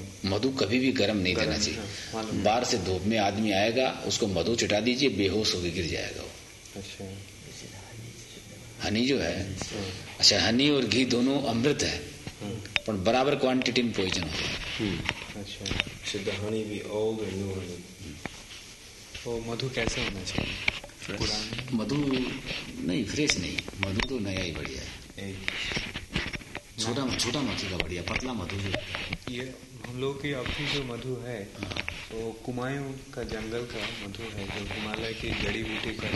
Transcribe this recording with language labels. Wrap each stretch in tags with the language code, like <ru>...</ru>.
<hi>मधु कभी भी गर्म नहीं देना चाहिए हाँ। बाहर से धूप में आदमी आएगा उसको मधु चटा दीजिए बेहोश होकर गिर जाएगा वो। अच्छा हनी जो है अच्छा हनी और घी दोनों अमृत है पर बराबर क्वांटिटी में पॉइजन होता है। अच्छा</hi> <en>should the honey be old or new honey?</en> <hi>मधु कैसे होना चाहिए? मधु नहीं, फ्रेश नहीं, मधु तो नया ही बढ़िया है, छोटा छोटा मधु का बढ़िया, पतला मधु जो ये हम लोग की अपनी जो मधु है वो कुमायूं का जंगल का मधु है, जो हिमालय की जड़ी बूटी का</hi>